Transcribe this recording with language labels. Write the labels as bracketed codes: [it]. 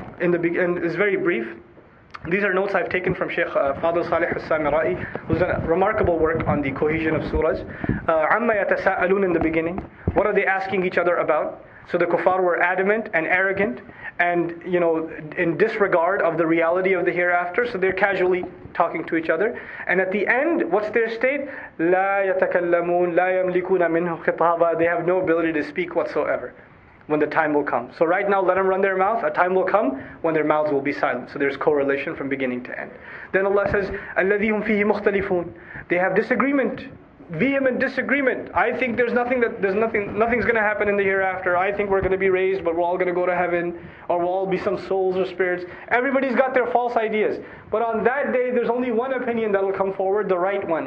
[en] And it's very brief. These are notes I've taken from Shaykh Fadl Salih al-Samira'i, who's done remarkable work on the cohesion of surahs. [ar] عَمَّ يَتَسَأَلُونَ. [en] In the beginning, what are they asking each other about? So the kuffar were adamant and arrogant and, you know, in disregard of the reality of the hereafter. So they're casually talking to each other. And at the end, what's their state? [ar] لا يتكلمون لا يملكون منه خطابا. [en] They have no ability to speak whatsoever when the time will come. So right now, let them run their mouth. A time will come when their mouths will be silent. So there's correlation from beginning to end. Then Allah says, [ar] الذي هم فيه مختلفون. [en] They have disagreement. Vehement disagreement. I think there's nothing's going to happen in the hereafter. I think we're going to be raised, but we're all going to go to heaven, or we'll all be some souls or spirits. Everybody's got their false ideas. But on that day, there's only one opinion that'll come forward, the right one.